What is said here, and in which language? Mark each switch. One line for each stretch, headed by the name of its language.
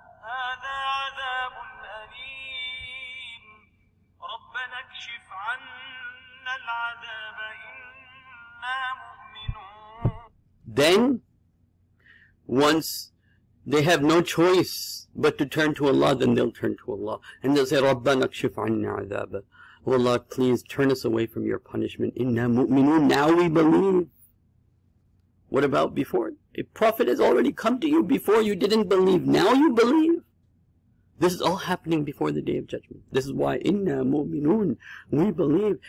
Arabic: هَذَا عَذَابٌ أَلِيمٌ. رَبَّنَا اكْشِفْ عَنَّا الْعَذَابَ إِنَّا مُؤْمِنُونَ.
English: Then, once... they have no choice but to turn to Allah, then they'll turn to Allah. And they'll say,
Arabic: رَبَّنَا اكْشِفْ عَنَّا عَذَابَ.
English: Oh Allah, please turn us away from your punishment.
Arabic: إِنَّا مُؤْمِنُونَ.
English: Now we believe. What about before? A prophet has already come to you before, you didn't believe. Now you believe. This is all happening before the Day of Judgment. This is why,
Arabic: إِنَّا مُؤْمِنُونَ.
English: We believe.